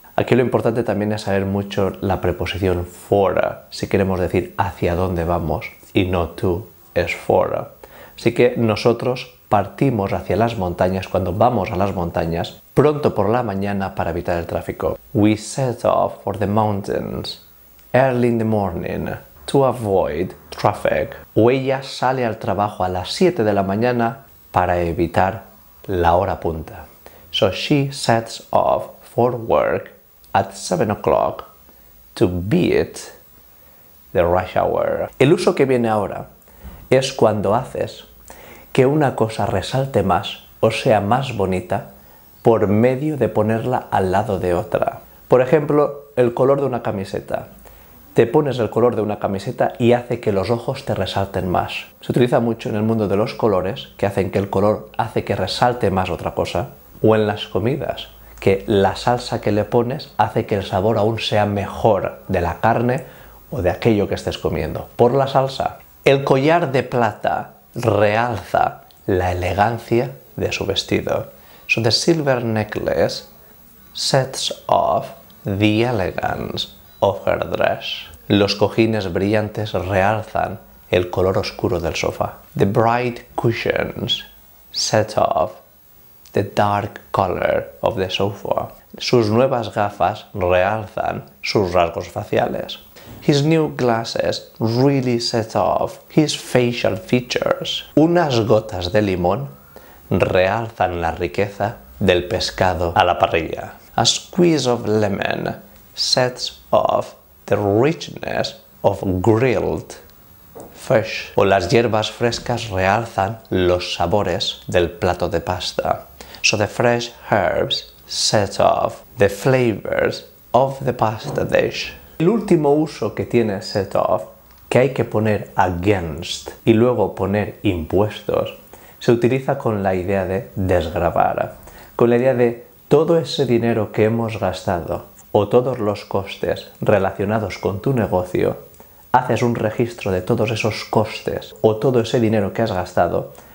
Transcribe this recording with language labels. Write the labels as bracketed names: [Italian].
[Spanish] Aquí lo importante también es saber mucho la preposición for, si queremos decir hacia dónde vamos, y no to es for. Así que nosotros partimos hacia las montañas, cuando vamos a las montañas, pronto por la mañana para evitar el tráfico. [English] We set off for the mountains early in the morning to avoid traffic. [Spanish] O ella sale al trabajo a las 7 de la mañana para evitar la hora punta. [English] So she sets off for work at 7 o'clock to beat the rush hour. [Spanish] El uso que viene ahora es cuando haces que una cosa resalte más o sea más bonita por medio de ponerla al lado de otra. Por ejemplo, el color de una camiseta. Te pones el color de una camiseta y hace que los ojos te resalten más. Se utiliza mucho en el mundo de los colores, que hacen que el color hace que resalte más otra cosa, o en las comidas, que la salsa que le pones hace que el sabor aún sea mejor de la carne o de aquello que estés comiendo. Por la salsa. El collar de plata realza la elegancia de su vestido. [English] So the silver necklace sets off the elegance of her dress. [Spanish] Los cojines brillantes realzan el color oscuro del sofá. [English] The bright cushions set off the dark color of the sofa. [Spanish] Sus nuevas gafas realzan sus rasgos faciales. [English] His new glasses really set off his facial features. [Spanish] Unas gotas de limón realzan la riqueza del pescado a la parrilla. [English] A squeeze of lemon sets off the richness of grilled fish. [Spanish] O las hierbas frescas realzan los sabores del plato de pasta. [English] So the fresh herbs set off the flavors of the pasta dish. [Spanish] El último uso que tiene set off, que hay que poner against y luego poner impuestos, se utiliza con la idea de desgravar, con la idea de todo ese dinero que hemos gastado o todos los costes relacionados con tu negocio, haces un registro de todos esos costes o todo ese dinero que has gastado